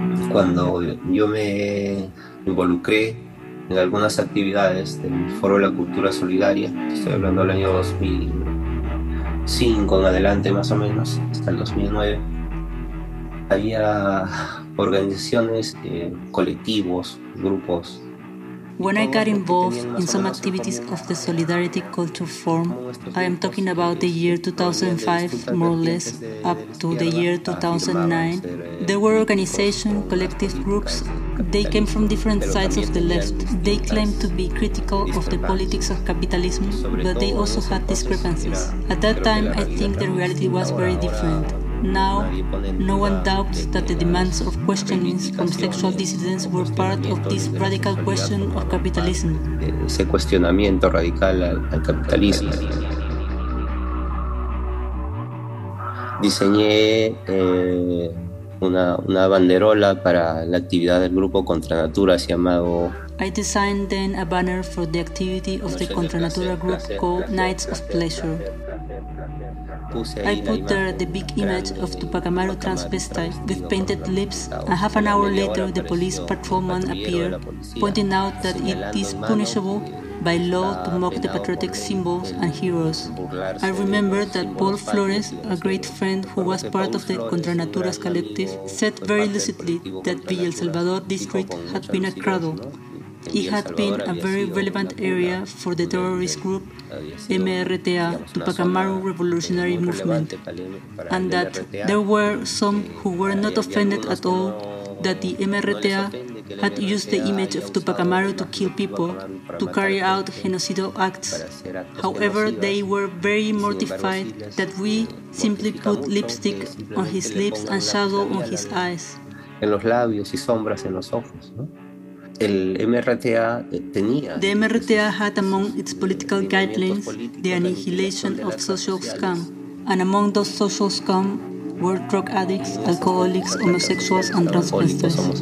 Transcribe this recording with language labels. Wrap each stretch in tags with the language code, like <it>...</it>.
<es>Cuando yo me involucré en algunas actividades del Foro de la Cultura Solidaria, estoy hablando del año 2005 en adelante más o menos, hasta el 2009, había organizaciones, colectivos, grupos.</es> <en>When I got involved in some activities of the Solidarity Culture Forum, I am talking about the year 2005, more or less, up to the year 2009, there were organizations, collective groups. They came from different sides of the left. They claimed to be critical of the politics of capitalism, but they also had discrepancies. At that time, I think the reality was very different. Now, no one doubts that the demands of questionings from sexual dissidents were part of this radical question of capitalism.</en> <es>Ese cuestionamiento radical al capitalismo. Diseñé una banderola para la actividad del grupo Contra Natura, se llamaba.</es> <en>I designed then a banner for the activity of the Contra Natura group called Nights of Pleasure. I put there the big image of Tupac Amaru transvestite with painted lips, and half an hour later the police patrolman appeared, pointing out that it is punishable by law to mock the patriotic symbols and heroes. I remember that Paul Flores, a great friend who was part of the Contra Naturas collective, said very lucidly that Villa El Salvador district had been a cradle. It had been a very relevant area for the terrorist group MRTA, Tupac Amaru Revolutionary Movement, and that there were some who were not offended at all that the MRTA had used the image of Tupac Amaru to kill people, to carry out genocidal acts. However, they were very mortified that we simply put lipstick on his lips and shadow on his eyes.</en> <es>En los labios y sombras en los ojos, ¿no?</es> <en>The MRTA had among its political guidelines the annihilation of social scum, and among those social scum were drug addicts, alcoholics, homosexuals, and transvestites.</en>